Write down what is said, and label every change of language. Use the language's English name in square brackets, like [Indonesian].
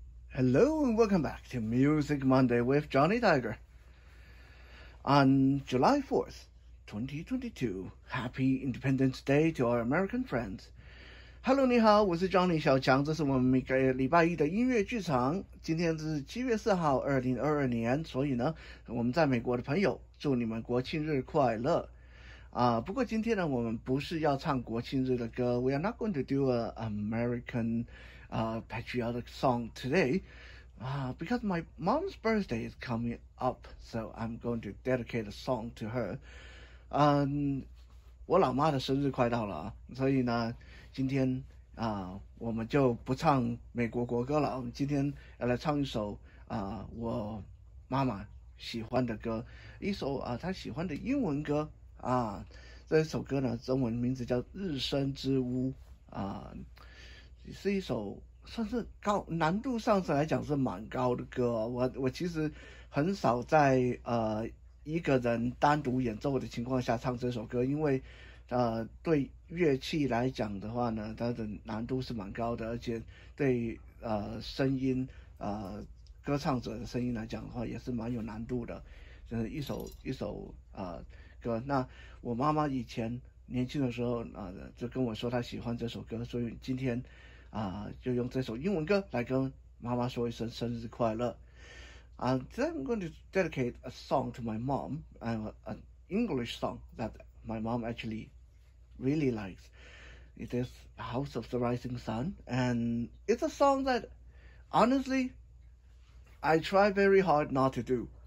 [English] Hello and welcome back to Music Monday with Johnny Tiger. On July 4th, 2022, Happy Independence Day to our American friends. [Chinese] Hello, 你好，我是 Johnny 小强，这是我们每个礼拜一的音乐剧场。今天是7月4号 ,2022 年，所以呢，我们在美国的朋友，祝你们国庆日快乐。不过今天呢，我们不是要唱国庆日的歌。 [English] We are not going to do an American, patriotic song today. Because my mom's birthday is coming up, so I'm going to dedicate a song to her. [Chinese] 我老妈的生日快到了，所以呢，今天我们就不唱美国国歌了。我们今天要来唱一首我妈妈喜欢的歌，一首她喜欢的英文歌。这首歌呢，中文名字叫《日生之屋》是一首算是高难度上来讲是蛮高的歌。我其实很少在一个人单独演奏的情况下唱这首歌，因为对乐器来讲的话呢，它的难度是蛮高的，而且对声音歌唱者的声音来讲的话也是蛮有难度的，就是一首歌。那我妈妈以前年轻的时候就跟我说她喜欢这首歌，所以今天就用这首英文歌来跟妈妈说一声生日快乐。 [English] Today I'm going to dedicate a song to my mom, an English song that my mom actually really likes. It is House of the Rising Sun, and it's a song that honestly I try very hard not to do.